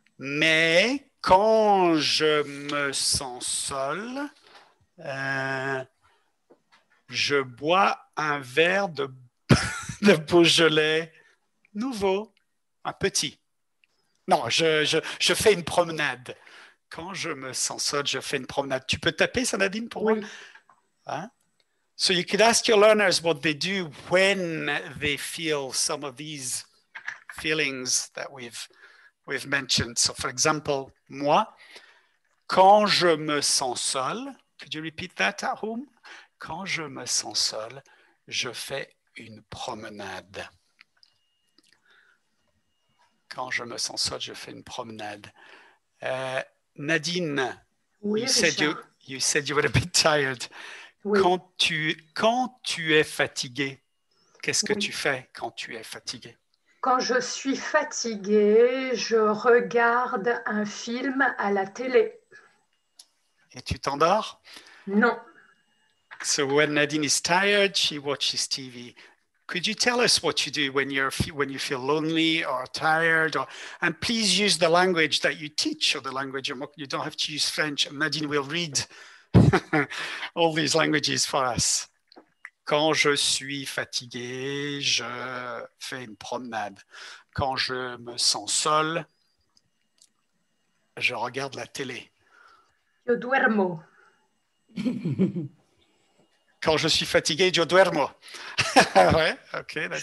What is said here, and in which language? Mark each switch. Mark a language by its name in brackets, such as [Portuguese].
[French] Mais quand je me sens seul, je bois un verre de Beaujolais nouveau, un petit. Non, je fais une promenade. Quand je me sens seul, je fais une promenade. Tu peux taper, Sanadine, pour moi? Hein? [English] So you could ask your learners what they do when they feel some of these feelings that we've mentioned. So for example, [French] moi, quand je me sens seul, [English] could you repeat that at home? [French] Quand je me sens seul, je fais une promenade. Quand je me sens seul, je fais une promenade. Nadine, oui, [English] you said you were a bit tired. [French] Oui. Quand tu es fatigué, qu'est-ce que tu fais quand tu es fatigué? Quand je suis fatiguée, je regarde un film à la télé. Et tu t'endors? Non. [English] So when Nadine is tired, she watches TV. Could you tell us what you do when you feel lonely or tired? And please use the language that you teach, or the language, you don't have to use French. Nadine will read all these languages for us. [French] Quand je suis fatigué, je fais une promenade. Quand je me sens seul, je regarde la télé. [Spanish] Yo duermo. [French] Quand je suis fatigué, [Spanish] yo duermo. [French] Ouais, [English] ok, that's